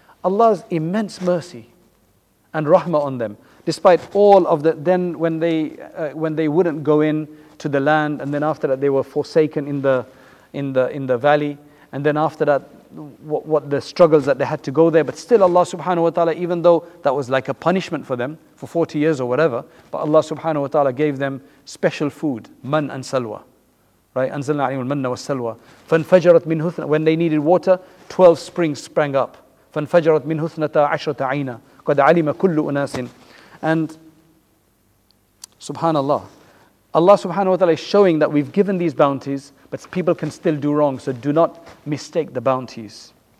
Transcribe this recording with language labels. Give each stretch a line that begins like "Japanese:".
English: Allah's immense mercy and rahmah on them, despite all of the, then when they wouldn't go in to the land, and then after that they were forsaken in the valley, and then after that, what the struggles that they had to go there, but still Allah subhanahu wa ta'ala, even though that was like a punishment for them, for 40 years or whatever, but Allah subhanahu wa ta'ala gave them special food, man and salwa.
Arabic: Right, أَنزَلْنَا عَلَيْهِمُ الْمَنَّ وَالسَّلْوَى فَانْفَجَرَتْ مِنْهُ اثْنَةَ.
English: When they needed water, 12 springs sprang up.
Arabic: فَانْفَجَرَتْ مِنْهُ اثْنَةَ عَشْرَةَ عَيْنًا قَدْ عَلِمَ كُلُّ أُنَاسٍ.
English: And subhanallah, Allah subhanahu wa ta'ala is showing that we've given these bounties, but people can still do wrong, so do not mistake the bounties.